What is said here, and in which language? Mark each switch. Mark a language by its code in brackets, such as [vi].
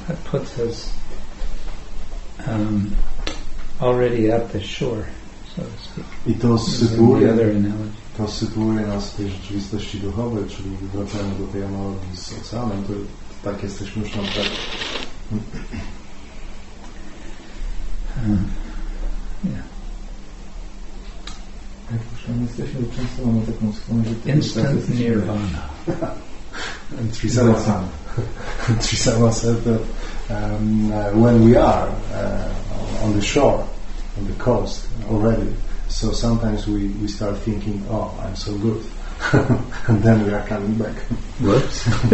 [en] That puts us already at the shore, so to speak. [pl] I to sytuuje, [en] the other analogy. [pl] To sytuuje nas w tej rzeczywistości duchowej, czyli wracamy do tej analogii z oceanem, to tak jesteśmy już na tak. Jak już tam jesteśmy, często mamy taką skłonność. [en] Instant nirvana. Trisama said that when we are on the shore, on the coast already, so sometimes we start thinking, oh, I'm so good, and then we are coming back. Whoops.